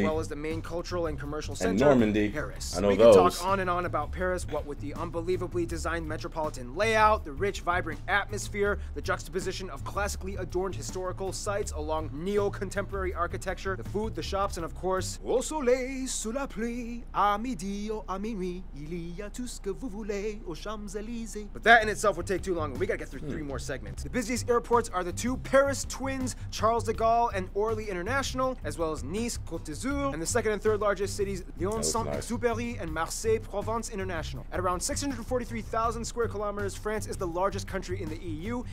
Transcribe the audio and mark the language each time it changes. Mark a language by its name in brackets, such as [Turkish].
[English] as well as the main cultural and commercial center, and Normandy, Paris. I know we those. We can talk on and on about Paris, what with the unbelievably designed metropolitan layout, the rich, vibrant atmosphere, the juxtaposition of classically adorned historical sites along neo-contemporary architecture, the food, the shops, and of course, [French] au soleil, sous la pluie, à midi ou à minuit, il y a tout ce que vous voulez aux Champs-Élysées. [English] But that in itself would take too long, and we gotta get through three more segments. The busiest airports are the two Paris twins, Charles de Gaulle and Orly International, as well as Nice, Côte d'Azur, and the second and third largest cities, Lyon-Saint-Exupéry and Marseille-Provence International. At around 643,000 square kilometers, France is the largest country in the EU.